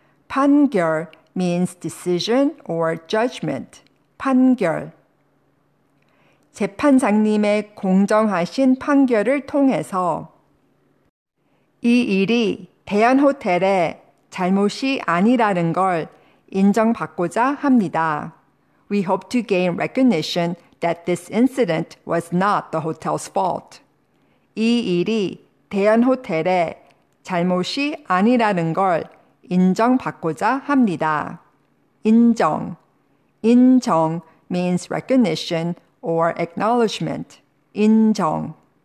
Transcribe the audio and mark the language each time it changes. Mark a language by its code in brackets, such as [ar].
[en] 판결 means decision or judgment. 판결. [ko] 재판장님의 공정하신 판결을 통해서 이 일이 대현 호텔에 잘못이 아니라는 걸 인정받고자 합니다. [en] We hope to gain recognition that this incident was not the hotel's fault. [ko] 이 일이 대현 호텔의 잘못이 아니라는 걸 인정받고자 합니다. [en] 인정. 인정 means recognition or acknowledgement. 인정.